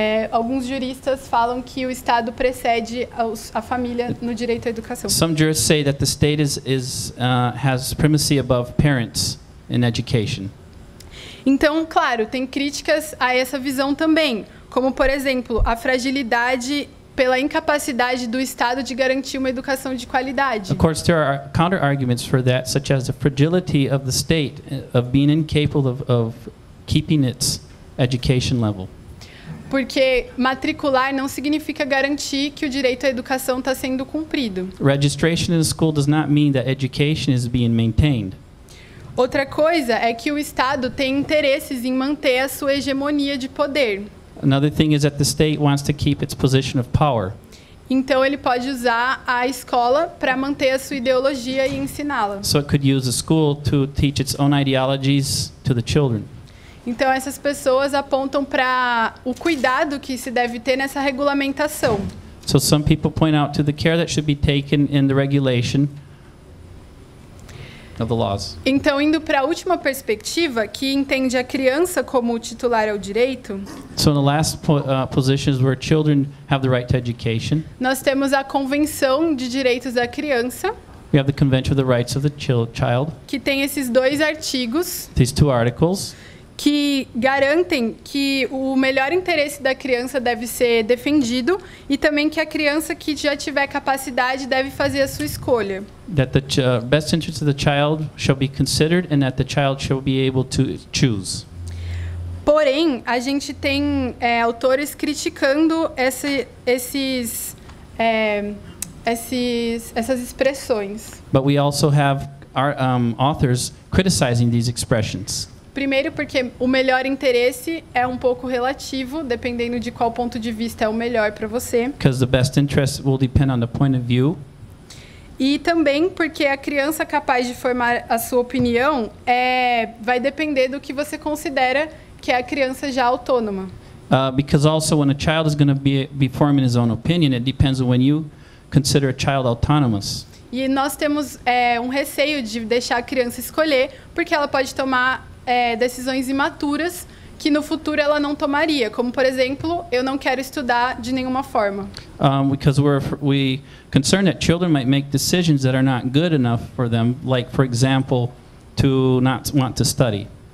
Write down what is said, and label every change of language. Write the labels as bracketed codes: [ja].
[pt] Alguns juristas falam que o Estado precede a família no direito à educação. [en] Some jurists say that the state has primacy above parents in education. [pt] Então, claro, tem críticas a essa visão também, como, por exemplo, a fragilidade pela incapacidade do Estado de garantir uma educação de qualidade. [en] Of course, there are counter-arguments for that, such as the fragility of the state of being incapable of keeping its education level. [pt] Porque matricular não significa garantir que o direito à educação está sendo cumprido. [en] Registration in a school does not mean that education is being maintained. [pt] Outra coisa é que o Estado tem interesses em manter a sua hegemonia de poder. [en] Another thing is that the state wants to keep its position of power. [pt] Então ele pode usar a escola para manter a sua ideologia e ensiná-la. [en] So it could use a school to teach its own ideologies to the children. [pt] Então essas pessoas apontam para o cuidado que se deve ter nessa regulamentação. [en] So some people point out to the care that should be taken in the regulation of the laws. [pt] Então indo para a última perspectiva, que entende a criança como titular ao direito. [en] So in the last positions where children have the right to education. [pt] Nós temos a Convenção de Direitos da Criança. [en] We have the Convention of the Rights of the Child. [pt] Que tem esses dois artigos. [en] These two articles. [pt] Que garantem que o melhor interesse da criança deve ser defendido e também que a criança que já tiver capacidade deve fazer a sua escolha. [en] That the best interest of the child shall be considered and that the child shall be able to choose. [pt] Porém, a gente tem autores criticando essas expressões. [en] But we also have our authors criticizing these expressions. [pt] Primeiro, porque o melhor interesse é um pouco relativo, dependendo de qual ponto de vista é o melhor para você. [en] Because the best interest will depend on the point of view. [pt] E também porque a criança capaz de formar a sua opinião vai depender do que você considera que é a criança já autônoma. [en] Because also when a child is going to be forming his own opinion, it depends on when you consider a child autonomous. [pt] E nós temos um receio de deixar a criança escolher, porque ela pode tomar decisões imaturas que no futuro ela não tomaria, como por exemplo, eu não quero estudar de nenhuma forma. [en] Because we're concerned that children might make decisions that are not good enough for them, like for example, to not want to study.